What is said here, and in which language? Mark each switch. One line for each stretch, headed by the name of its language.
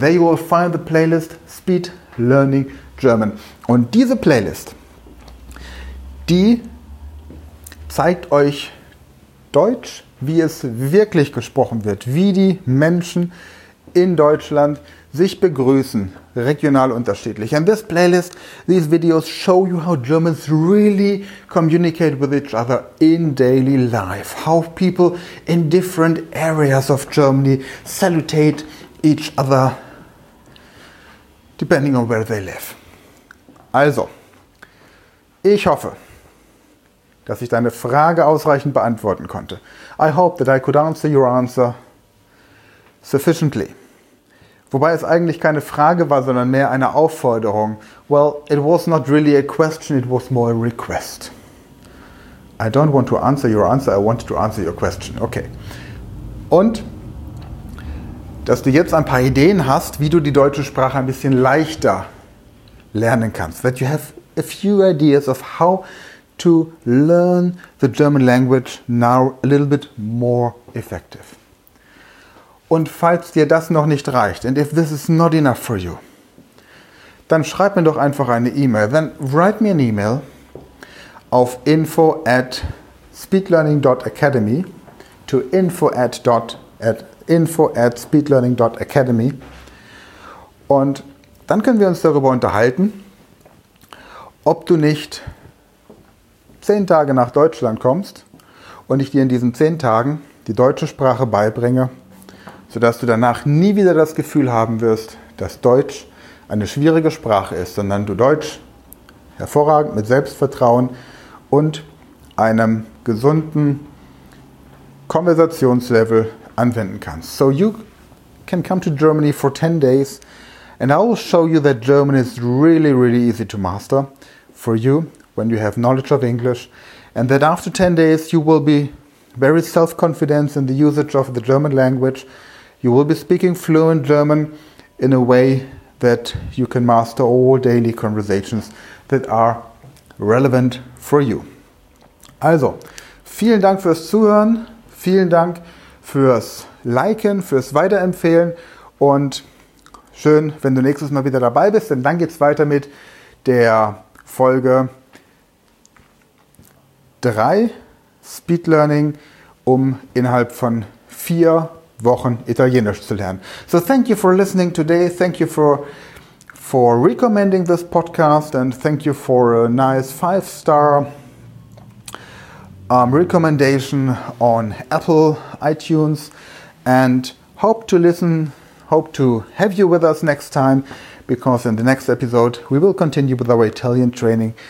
English: There you will find the playlist Speed Learning German.
German: Und diese Playlist, die zeigt euch Deutsch, wie es wirklich gesprochen wird, wie die Menschen in Deutschland sich begrüßen, regional unterschiedlich.
English: And this playlist, these videos show you how Germans really communicate with each other in daily life. How people in different areas of Germany salutate each other, depending on where they live.
German: Also, ich hoffe, dass ich deine Frage ausreichend beantworten konnte.
English: I hope that I could answer your answer sufficiently.
German: Wobei es eigentlich keine Frage war, sondern mehr eine Aufforderung.
English: Well, it was not really a question, it was more a request. I don't want to answer your answer, I wanted to answer your question. Okay.
German: Und, dass du jetzt ein paar Ideen hast, wie du die deutsche Sprache ein bisschen leichter lernen kannst.
English: That you have a few ideas of how to learn the German language now a little bit more effective.
German: Und falls dir das noch nicht reicht,
English: and if this is not enough for you,
German: dann schreib mir doch einfach eine E-Mail.
English: Then write me an email
German: auf info@speedlearning.academy to info@speedlearning.academy und dann können wir uns darüber unterhalten, ob du nicht 10 Tage nach Deutschland kommst und ich dir in diesen 10 Tagen die deutsche Sprache beibringe, sodass du danach nie wieder das Gefühl haben wirst, dass Deutsch eine schwierige Sprache ist, sondern du Deutsch hervorragend mit Selbstvertrauen und einem gesunden Konversationslevel anwenden kannst.
English: So you can come to Germany for 10 days and I will show you that German is really, really easy to master for you when you have knowledge of English, and that after 10 days you will be very self-confident in the usage of the German language. You will be speaking fluent German in a way that you can master all daily conversations that are relevant for you.
German: Also, vielen Dank fürs Zuhören, vielen Dank fürs Liken, fürs Weiterempfehlen und schön, wenn du nächstes Mal wieder dabei bist, denn dann geht's weiter mit der Folge 3 Speed Learning, um innerhalb von 4 Wochen Italienisch zu lernen.
English: So thank you for listening today, thank you for recommending this podcast and thank you for a nice 5-star recommendation on Apple iTunes, and hope to have you with us next time, because in the next episode we will continue with our Italian training.